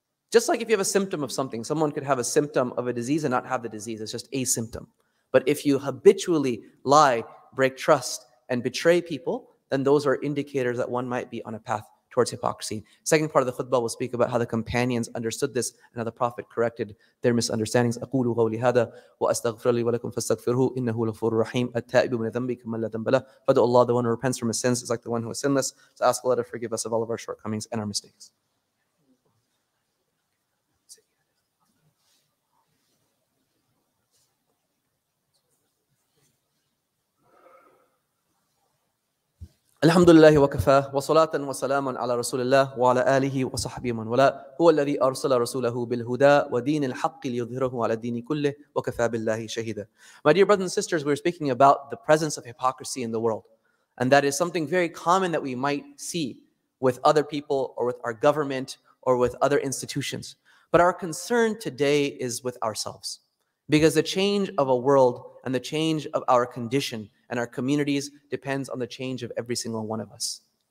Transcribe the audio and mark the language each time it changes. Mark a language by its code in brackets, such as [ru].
[en] Just like if you have a symptom of something, someone could have a symptom of a disease and not have the disease. It's just a symptom. But if you habitually lie, break trust, and betray people, then those are indicators that one might be on a path towards hypocrisy. Second part of the khutbah will speak about how the companions understood this and how the Prophet corrected their misunderstandings. [ar] أَقُولُ قَوْلِ هَذَا وَأَسْتَغْفِرُ لِي وَلَكُمْ فَاسْتَغْفِرُهُ إِنَّهُ الْغَفُورُ الرَّحِيمُ التَّائِبُ مِنَ ذَنْبِ كَمَنْ لَا ذَنْبَ لَهُ فَدُعُ اللَّهَ [en] the one who repents from his sins is like the one who is sinless. So ask Allah to forgive us of all of our shortcomings and our mistakes. [ar] الحمد لله وكفى وصلاة وسلام على رسول الله وعلى آله وصحبه من ولا هو الذي أرسل رسوله بالهدى ودين الحق ليظهره على الدين كله وكفى بالله شهيدا. [en] My dear brothers and sisters, we're speaking about the presence of hypocrisy in the world. And that is something very common that we might see with other people or with our government or with other institutions. But our concern today is with ourselves. Because the change of a world and the change of our condition and our communities depends on the change of every single one of us.